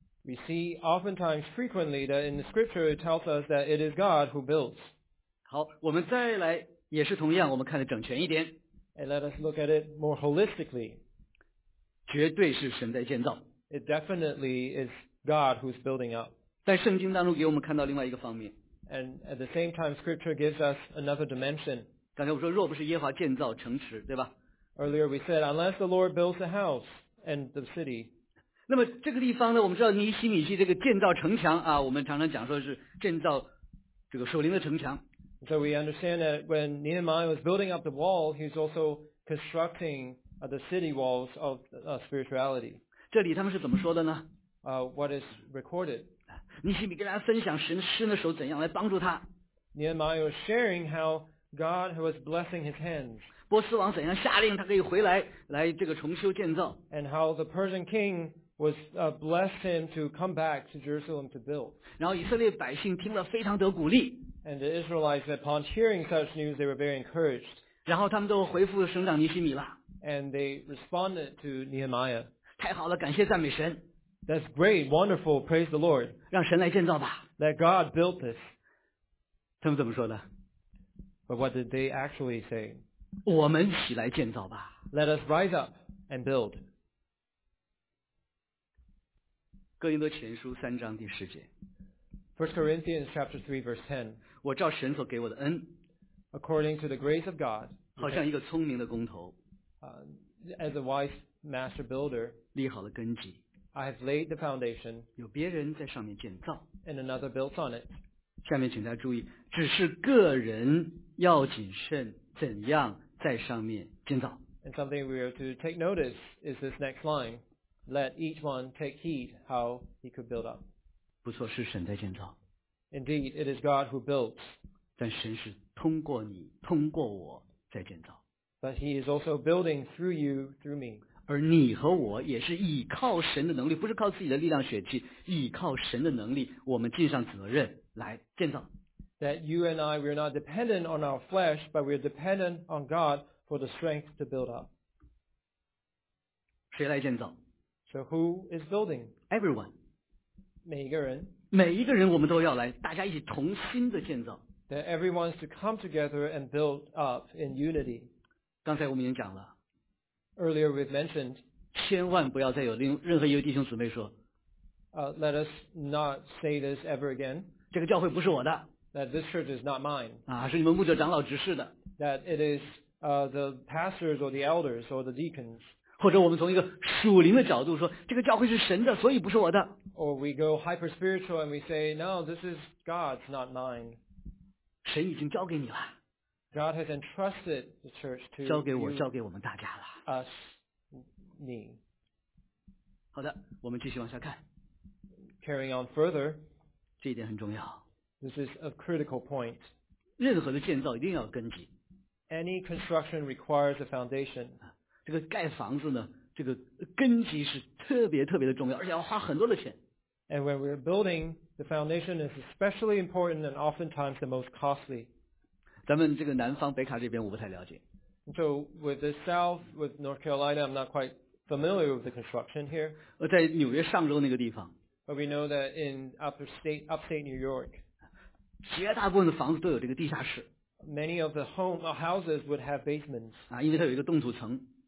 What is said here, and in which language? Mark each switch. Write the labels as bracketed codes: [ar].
[en] We see oftentimes frequently that in the scripture it tells us that it is God who builds. [zh] 好，我们再来也是同样，我们看得整全一点。 [en] And let us look at it more holistically. [zh] 绝对是神在建造。 [en] It definitely is God who's building up. [zh] 在圣经当中给我们看到另外一个方面。 [en] And at the same time, scripture gives us another dimension. [zh] 刚才我说，若不是耶和华建造城池，对吧？ [en] Earlier we said, unless the Lord builds the house and the city. [zh] 那么这个地方呢，我们知道尼希米记这个建造城墙啊，我们常常讲说是建造这个属灵的城墙。 [en] So we understand that when Nehemiah was building up the wall, he's also constructing the city walls of spirituality. [zh] 这里他们是怎么说的呢？ [en] What is recorded? [zh] 尼希米跟大家分享神伸的手怎样来帮助他。 [en] Nehemiah was sharing how God was blessing his hands. [zh] 波斯王怎样下令他可以回来来这个重修建造。 [en] And how the Persian king was blessed him to come back to Jerusalem to build. [zh] 然后以色列百姓听了非常得鼓励。 [en] And the Israelites, upon hearing such news, they were very encouraged. [zh] 然后他们都回复省长尼希米了。 [en] And they responded to Nehemiah. [zh] 太好了，感谢赞美神。 [en] That's great, wonderful, praise the Lord. [zh] 让神来建造吧。 [en] Let God build this. [zh] 他们怎么说的？ [en] But what did they actually say? [zh] 我们起来建造吧。 [en] Let us rise up and build. [zh] 哥林多前书三章第十节。 [en] 1 Corinthians chapter 3 verse 10. [zh] 我照神所给我的恩。 [en] According to the grace of God. [zh] 好像一个聪明的工头。 [en] As a wise master builder. [zh] 立好了根基。 [en] I have laid the foundation. [zh] 有别人在上面建造。 [en] And another built on it. [zh] 下面请大家注意，只是个人要谨慎怎样在上面建造。 [en] And something we are to take notice is this next line. Let each one take heed how he could build up. [zh] 不错，是神在建造。 [en] Indeed, it is God who builds. [zh] 但神是通过你，通过我在建造。 [en] But He is also building through you, through me. [zh] 而你和我也是倚靠神的能力，不是靠自己的力量血气，倚靠神的能力，我们尽上责任来建造。 [en] That you and I, we are not dependent on our flesh, but we are dependent on God for the strength to build up. [zh] 谁来建造？ [en] So who is building? Everyone. [zh] 每一个人，每一个人，我们都要来，大家一起同心的建造。 [en] That everyone's to come together and build up in unity. [zh] 刚才我们已经讲了。 [en] Earlier we've mentioned. [zh] 千万不要再有任何一个弟兄姊妹说。 [en] Let us not say this ever again. [zh] 这个教会不是我的。 [en] That this church is not mine. [zh] 啊，是你们牧者长老执事的。 [en] That it is the pastors or the elders or the deacons. [zh] 或者我们从一个属灵的角度说，这个教会是神的，所以不是我的。 [en] Or we go hyper spiritual and we say, no, this is God's, not mine. [zh] 神已经交给你了。 [en] God has entrusted the church to [zh] 交给我，交给我们大家了。 [en] Us, me. [zh] 好的，我们继续往下看。 [en] Carrying on further. [zh] 这一点很重要。 [en] This is a critical point. [zh] 任何的建造一定要根基。 [en] Any construction requires a foundation. [zh] 这个盖房子呢，这个根基是特别特别的重要，而且要花很多的钱。 [en] And when we're building, the foundation is especially important and oftentimes the most costly. [zh] 咱们这个南方北卡这边我不太了解。 [en] So with the south, with North Carolina, I'm not quite familiar with the construction here. [zh] 在纽约上州那个地方。 [en] But we know that in upstate New York, [zh] 绝大部分的房子都有这个地下室。 [en] Many of the houses would have basements. [zh] 啊，因为它有一个冻土层。